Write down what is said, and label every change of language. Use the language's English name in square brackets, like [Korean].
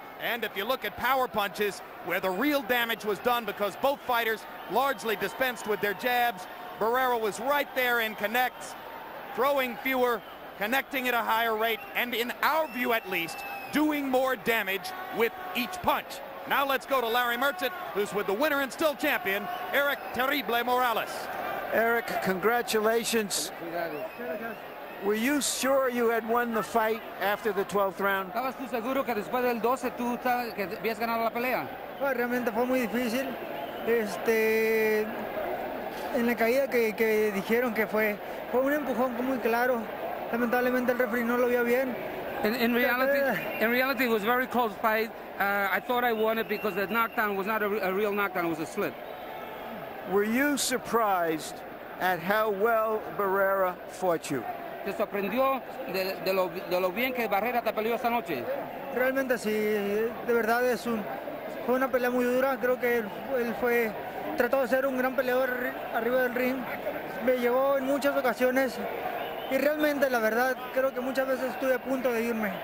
[English] And if you look at power punches, where the real damage was done because both fighters largely dispensed with their jabs, Barrera was right there in connects, throwing fewer, connecting at a higher rate, and in our view at least, doing more damage with each punch. Now let's go to Larry Merchant, who's with the winner and still champion, Erik Terrible Morales. Erik, congratulations. Were you sure you had won the fight after the 12th round? [Spanish] ¿Estabas tú seguro que después del 12 tú que habías ganado la pelea? Bueno, realmente fue muy difícil. En la caída que dijeron que fue un empujón muy claro. Lamentablemente el referee no lo vio bien. [English] In reality, it was a very close fight. I thought I won it because the knockdown was not a real knockdown, it was a slip. Were you surprised at how well Barrera fought you? [Spanish] ¿Te sorprendió de lo bien que Barrera te peleó esta noche? Realmente sí, de verdad fue una pelea muy dura. Creo que él fue, trató de ser un gran peleador arriba del ring. Me llevó en muchas ocasiones. Y realmente, la verdad, creo que muchas veces estuve a punto de irme.